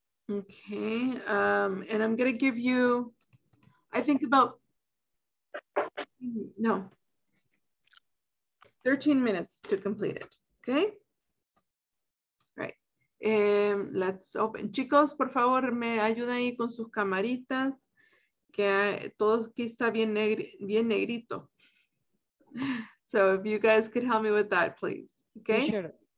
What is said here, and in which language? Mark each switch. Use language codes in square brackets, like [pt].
[en] Okay, and I'm going to give you, I think about, 13 minutes to complete it, okay? Right, let's open. [es] Chicos, por favor, me ayuden ahí con sus camaritas, que todo aquí está bien, bien negrito. [en] So if you guys could help me with that, please, okay?